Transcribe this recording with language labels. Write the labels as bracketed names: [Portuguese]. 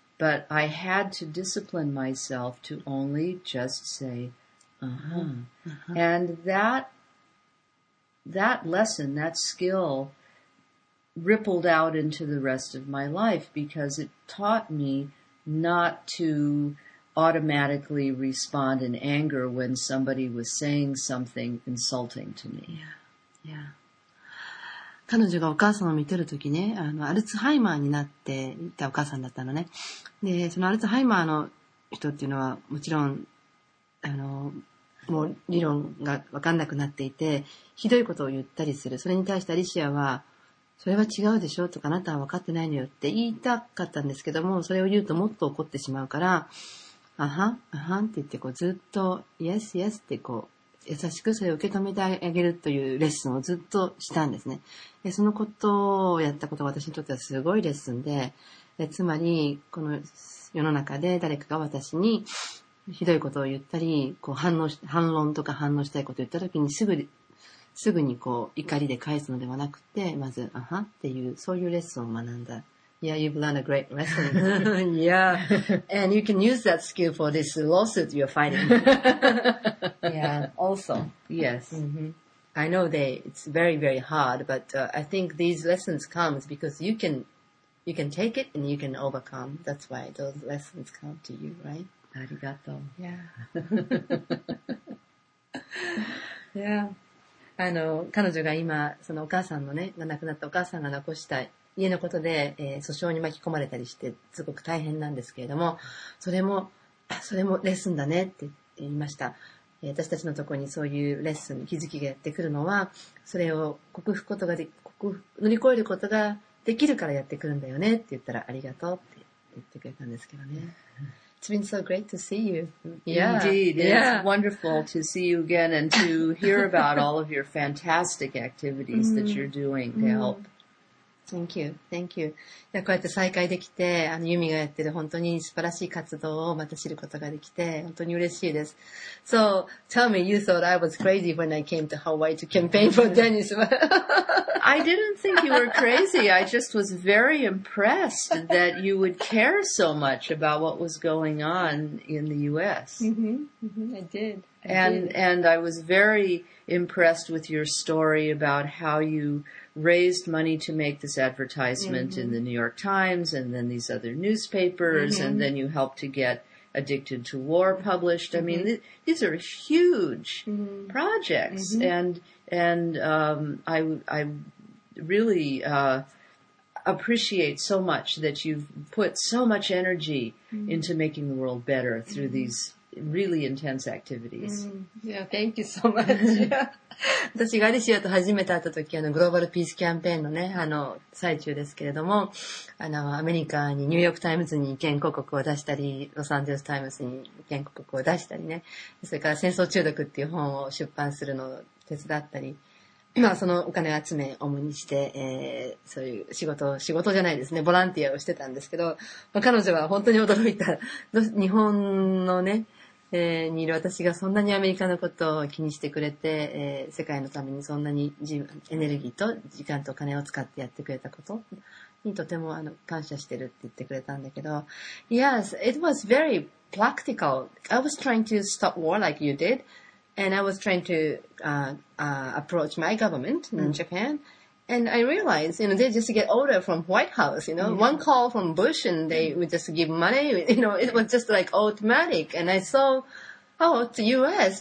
[English] But I had to discipline myself to only just say, And that lesson, that skill,rippled out into the rest of my life because it taught me not to automatically respond in anger when somebody was saying something insulting to me. Yeah. Yeah. [Japanese] 彼女がお母さんを見てるときね、あの、アルツハイマーになっていたお母さんだったのね。で、そのアルツハイマーの人っていうのはもちろん、あの、もう理論がわかんなくなっていて、ひどいことを言ったりする。それに対してアリシアは、それは違うでしょとか、あなたは分かってないのよって言いたかったんですけども、それを言うともっと怒ってしまうから、あはん、あはんって言って、こうずっと、イエスイエスってこう、優しくそれを受け止めてあげるというレッスンをずっとしたんですね。で、そのことをやったことが私にとってはすごいレッスンで、でつまり、この世の中で誰かが私にひどいことを言ったり、こう反論とか反応したいことを言ったときにすぐにこう怒りで返すのではなくて、まず、あはっていう、そういうレッスンを学んだ。 [English] Yeah, you've learned a great lesson. Yeah. And you can use that skill for this lawsuit you're fighting. Yeah, also. Yes.、 Mm-hmm. I know it's very, very hard, but、I think these lessons come because you can take it and you can overcome. That's why those lessons come to you, right? [Japanese] ありがとう。 [English] Yeah. Yeah. [Japanese] あの、彼女が今、そのお母さんのね、亡くなったお母さんが残した家のことで、訴訟に巻き込まれたりして、すごく大変なんですけれども、それもレッスンだねって言いました。私たちのところにそういうレッスン、気づきがやってくるのは、それを乗り越えることができるからやってくるんだよねって言ったら、ありがとうって言ってくれたんですけどね。 [English] It's been so great to see you. Yeah, indeed. Yeah. It's wonderful to see you again and to hear about all of your fantastic activities that you're doing to help. Thank you. Thank you. [Japanese] いや、こうやって再会できて、あの、ユミがやってる本当に素晴らしい活動をまた知ることができて、本当に嬉しいです。 [English] So, tell me, you thought I was crazy when I came to Hawaii to campaign for Dennis. I didn't think you were crazy. I just was very impressed that you would care so much about what was going on in the U.S. Mm-hmm. Mm-hmm. And I was very impressed with your story about how you raised money to make this advertisement in the New York Times and then these other newspapers and then you helped to get Addicted to War published. I mean, these are huge projects and I really, appreciate so much that you've put so much energy mm-hmm. into making the world better through mm-hmm. these really intense activities. Mm-hmm. Yeah, thank you so much. [Japanese] 私がアリシアと初めて会った時、グローバルピースキャンペーンのね、最中ですけれども、アメリカにニューヨークタイムズに意見広告を出したり、ロサンゼルスタイムズに意見広告を出したりね、それから戦争中毒っていう本を出版するのを手伝ったり、まあ、そのお金を集め、主にして、そういう仕事じゃないですね、ボランティアをしてたんですけど、まあ、彼女は本当に驚いた。日本のね、にいる私がそんなにアメリカのことを気にしてくれて、世界のためにそんなにエネルギーと時間とお金を使ってやってくれたことにとても感謝してるって言ってくれたんだけど、 [English] Yes, it was very practical. I was trying to stop war like you did. And I was trying to approach my government in mm-hmm. Japan. And I realized, you know, they just get order from White House, you know, yeah. one call from Bush and they mm-hmm. would just give money. You know, it was just like automatic. And I saw, oh, it's the U.S.